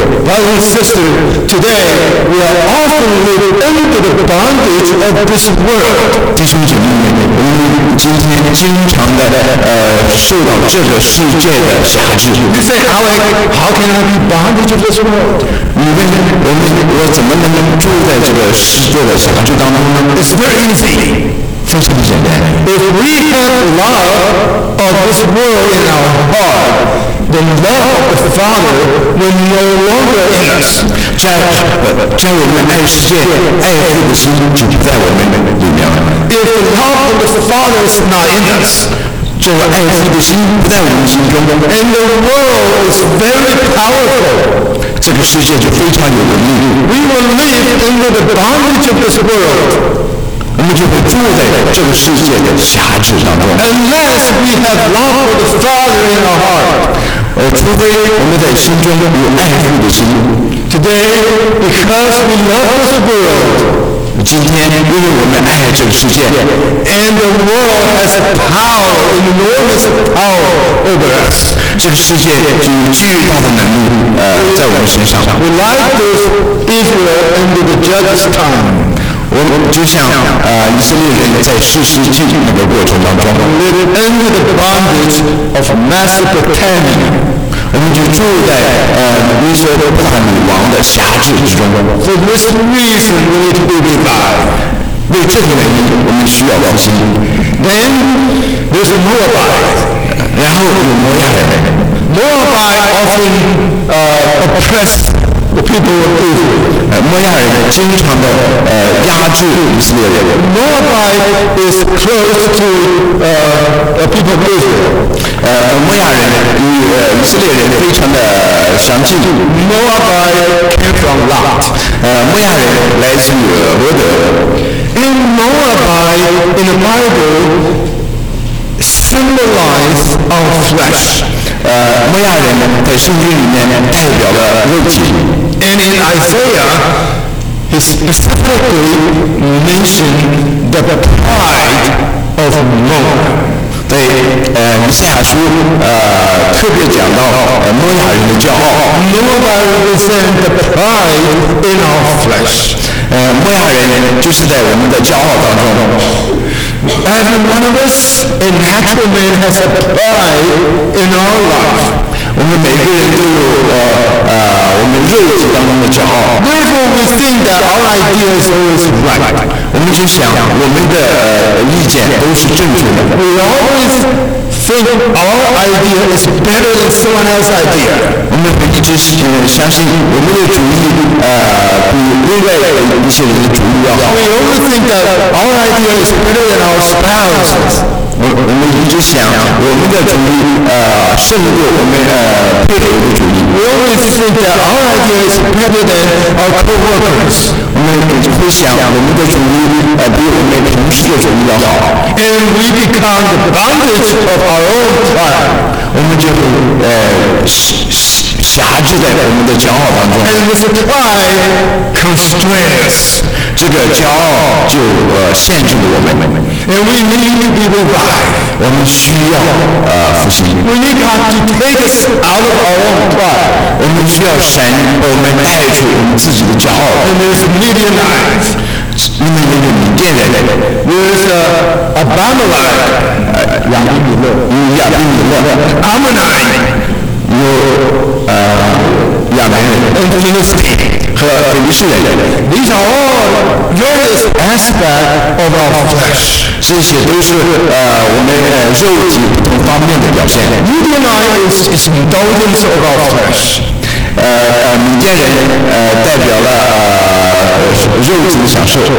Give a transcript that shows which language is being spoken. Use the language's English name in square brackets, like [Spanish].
[English] Brothers and sisters, today we are often living under the bondage of this world. [Chinese] 弟兄姐妹们，我们今天经常的受到这个世界的辖制。 [English] You say, how can I be bondage of this world? [Chinese] 你问我怎么能够住在这个世界的辖制当中呢？ [English] It's very easy. [Chinese] 非常简单。 [English] If we have love of this world in our heart, then love of the Father will no longer in us. [Chinese] 将我们爱世界、爱父的心就不在我们里面了。 [English] If love of the Father is not in us, [Chinese] 这个爱父的心不在我们心中。 [English] And the world is very powerful. [Chinese] 这个世界就非常有能力。 [English] We will live under the bondage of this world. [Chinese] 我们就会住在这个世界的辖制当中。 [English] Unless we have love for the Father in our heart， [Chinese] 除非我们在心中有爱父的心。 [English] Today, because we love the world， [Chinese] 今天因为我们爱这个世界。 [English] And the world has a power, enormous power over us。 [Chinese] 这个世界具有巨大的能力，在我们身上。 [English] We like this Israel under the judge's time。 [Chinese] 我们就像以色列人在士师记那个过程当中 [English] living under the bondage of Mesopotamia， [Chinese] 我们就住在米索不达米王的辖制之中。 [English] For this reason we need to be revived， [Chinese] 为这个原因我们需要复兴。 [English] Then there's a Moabite， [Chinese] 然后有摩押人。 [English] Moabite often oppressed the people of Israel。 [Chinese] 摩亚人经常的压制以色列人。 [English] Moabite is close to people of Israel。 [Chinese] 摩亚人与以色列人非常的相近。 [English] Moabite came from Lot。 [Chinese] 摩亚人来自于罗德。 [English] In Moabite in the Bible symbolizes our flesh。 [Chinese] 摩亚人在圣经里面代表了肉体。 [English] And in Isaiah, he specifically mentioned the pride of Moab. [Chinese] 对，以赛亚书特别讲到摩亚人的骄傲。 [English] Moab represents the pride in our flesh. [Chinese] 摩亚人就是在我们的骄傲当中。 [English] Every one of us, a natural man, has a pride in our life. [Chinese] 我们每个人都有我们肉体当中的骄傲。 [English] Therefore, we think that our idea is always right. [Chinese] 我们就想我们的意见都是正确的。 [English] We always think our idea is better than someone else's idea. [Chinese] 我们一直相信我们的主意比另外一些人的主意要好。 [English] We always think that our idea is better than our spouse's. [Chinese] 我们一直思想，我们的主义胜过我们配偶的主义。 [English] We always think that our ideas better than our co-workers. [Chinese] 我们每次会想我们的主义比我们的同事的主义要好。 [English] And we become the bondage of our own pride. [Chinese] 我们就辖制在我们的骄傲当中。 [English] And this pride constrains. [Chinese] 这个骄傲就限制了我们。 [English] And we need to be revived. [Chinese] 我们需要复兴。 [English] We need God to take us out of our own pride. [Chinese] 我们需要神把我们带出我们自己的骄傲。 [English] And there's Midianites. [Chinese] 因为有米甸人。 [English] There's Abimelech. [Chinese] 亚比米勒。亚比米勒。 [English] Ammonite. [Chinese] 有亚南人。 [English] And Philistine. [Chinese] 和腓尼基人， [English] these are all various aspects of our flesh. [Chinese] 这些都是我们肉体不同方面的表现。 [English] Midianite is indulgence of our flesh. [Chinese] 米甸人代表了肉体的享受，